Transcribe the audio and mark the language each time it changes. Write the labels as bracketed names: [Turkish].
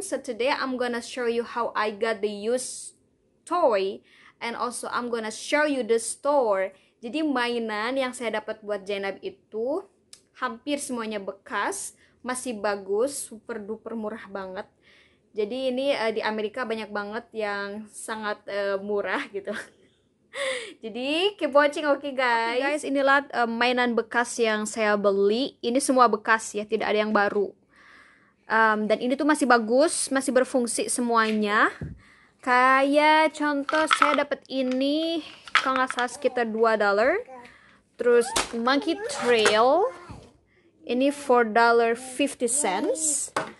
[English] So today I'm gonna show you how I got the used toy, and also I'm gonna show you the store. [Indonesian] Jadi mainan yang saya dapat buat Zainab itu hampir semuanya bekas, masih bagus, [English] super duper [Indonesian] murah banget. Jadi ini di Amerika banyak banget yang sangat murah gitu. Jadi [English] keep watching, okay guys. [Indonesian] Guys, inilah mainan bekas yang saya beli. Ini semua bekas ya, tidak ada yang baru. Dan ini tuh masih bagus, masih berfungsi semuanya. Kayak contoh saya dapat ini, kalau nggak salah sekitar $2. Terus Monkey Trail, ini $4.50.